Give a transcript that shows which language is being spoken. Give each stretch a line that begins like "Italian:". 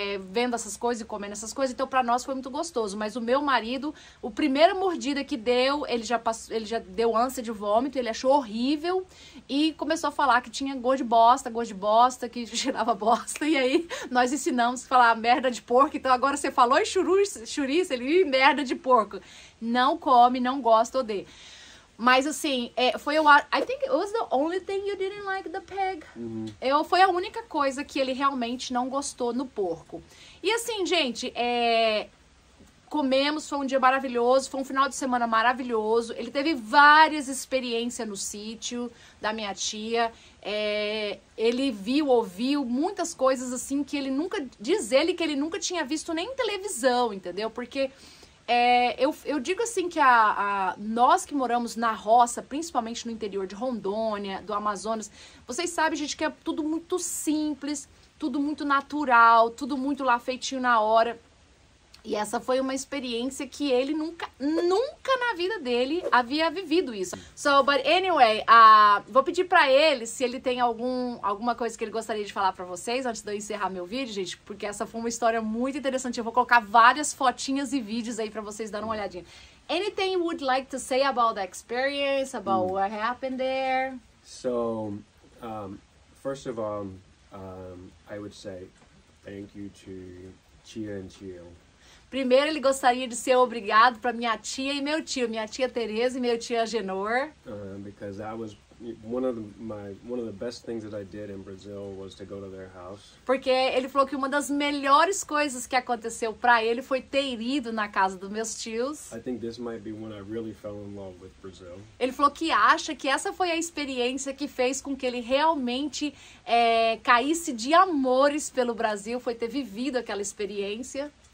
Portuguese: vendo essas coisas e comendo essas coisas, então pra nós foi muito gostoso, mas o meu marido, o primeiro mordida que deu, ele já deu ânsia de vômito, ele achou horrível e começou a falar que tinha gosto de bosta, que cheirava bosta, e aí nós ensinamos a falar merda de porco, então agora você falou em chouriço, ele, merda de porco, não come, não gosta, odeia. Mas assim, foi o...
English: I think it was the only thing you didn't like the pig. Uhum.
Portuguese: Foi a única coisa que ele realmente não gostou no porco. E assim, gente, comemos, foi um dia maravilhoso, foi um final de semana maravilhoso. Ele teve várias experiências no sítio da minha tia. Ele viu, ouviu muitas coisas assim que ele nunca... Diz ele que ele nunca tinha visto nem televisão, entendeu? Porque... Eu digo assim que nós que moramos na roça, principalmente no interior de Rondônia, do Amazonas, vocês sabem, gente, que é tudo muito simples, tudo muito natural, tudo muito lá feitinho na hora. E essa foi uma experiência que ele nunca, nunca na vida dele havia vivido isso.
English: So, but anyway,
Portuguese: vou pedir pra ele se ele tem alguma coisa que ele gostaria de falar pra vocês antes de eu encerrar meu vídeo, gente, porque essa foi uma história muito interessante. Eu vou colocar várias fotinhas e vídeos aí pra vocês darem uma olhadinha.
English: Anything you would like to say about the experience, about what happened there? So, first of all, I would say thank you to Chia and Chio.
Portuguese: Primeiro, ele gostaria de ser obrigado para minha tia e meu tio, minha tia Tereza e meu tio Agenor.
English: Because that was one of the best things that I did in Brazil was to go to their house.
Portuguese: Porque ele falou que uma das melhores coisas que aconteceu para ele foi ter ido na casa dos meus tios.
English: I think this might be when I really fell in love with Brazil.
Portuguese: Ele falou que acha que essa foi a experiência que fez com que ele realmente caísse de amores pelo Brasil, foi ter vivido aquela experiência.